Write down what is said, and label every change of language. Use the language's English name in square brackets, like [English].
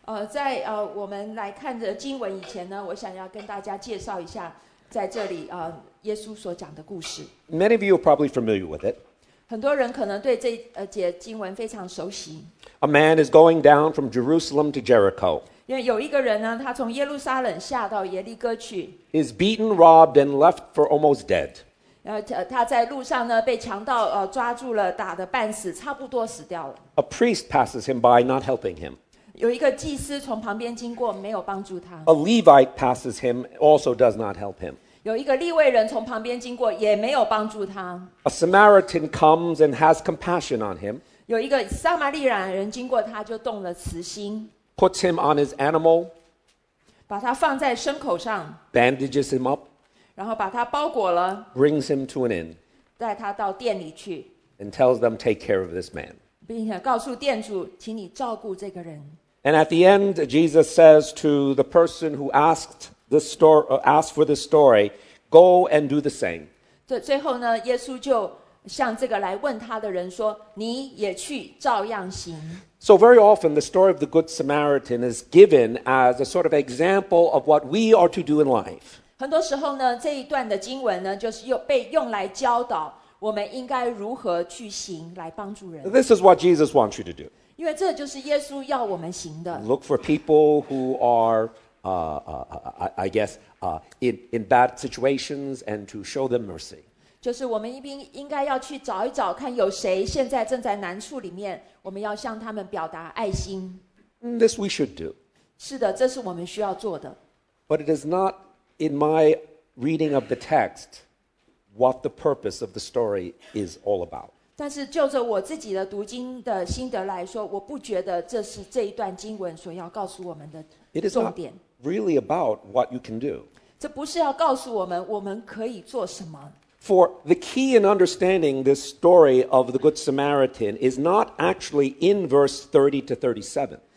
[Chinese] 在我们来看着经文以前呢，我想要跟大家介绍一下在这里耶稣所讲的故事。 [English] Many of you are probably familiar with it. [Chinese] 很多人可能对这节经文非常熟悉。 [English] A man is going down from Jerusalem to Jericho. [Chinese] 因为有一个人呢，他从耶路撒冷下到耶利哥去。 [English] Is beaten, robbed, and left for almost dead. [Chinese] 他在路上呢被强盗抓住了，打得半死，差不多死掉了。 [English] A priest passes him by, not helping him. [Chinese] 有一个祭司从旁边经过，没有帮助他。 [English] A Levite passes him, also does not help him. [Chinese] 有一个利未人从旁边经过，也没有帮助他。 [English] A Samaritan comes and has compassion on him. [Chinese] 有一个撒玛利亚人经过，他就动了慈心。 [English] Puts him on his animal. [Chinese] 把他放在牲口上 [English] bandages him up, [Chinese] 然后把他包裹了 [English] brings him to an inn, [Chinese] 带他到店里去 [English] and tells them take care of this man, [Chinese] 并且告诉店主请你照顾这个人 [English] and at the end Jesus says to the person who asked for this story, go and do the same, [Chinese] 这最后呢耶稣就向这个来问他的人说你也去照样行 [English] So very often the story of the Good Samaritan is given as a sort of example of what we are to do in life [Chinese] 很多时候呢这一段的经文呢就是被用来教导我们应该如何去行来帮助人 [English] This is what Jesus wants you to do [Chinese] 因为这就是耶稣要我们行的 [English] Look for people who are in bad situations and to show them mercy [Chinese] 就是我们应该要去找一找看有谁现在正在难处里面我们要向他们表达爱心 [English] This we should do [Chinese] 是的这是我们需要做的 [English] But it is not in my reading of the text what the purpose of the story is all about [Chinese] 但是就着我自己的读经的心得来说我不觉得这是这一段经文所要告诉我们的重点 [English] It is not really about what you can do [Chinese] 这不是要告诉我们我们可以做什么 [English] For the key in understanding this story of the Good Samaritan is not actually in verse 30 to 37.